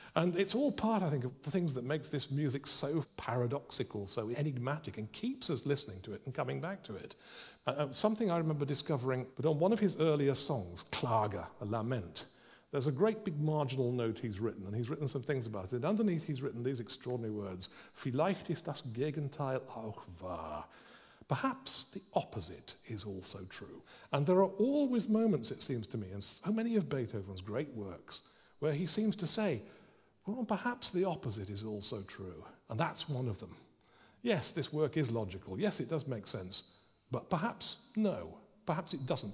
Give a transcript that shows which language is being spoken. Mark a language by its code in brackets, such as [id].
[en] And it's all part, I think, of the things that makes this music so paradoxical, so enigmatic, and keeps us listening to it and coming back to it. Something I remember discovering, but on one of his earlier songs, Klage, a lament, there's a great big marginal note he's written, and he's written some things about it. Underneath, he's written these extraordinary words, [de] Vielleicht ist das Gegenteil auch wahr. [en] Perhaps the opposite is also true. And there are always moments, it seems to me, in so many of Beethoven's great works, where he seems to say, well, perhaps the opposite is also true. And that's one of them. Yes, this work is logical. Yes, it does make sense. But perhaps no. Perhaps it doesn't.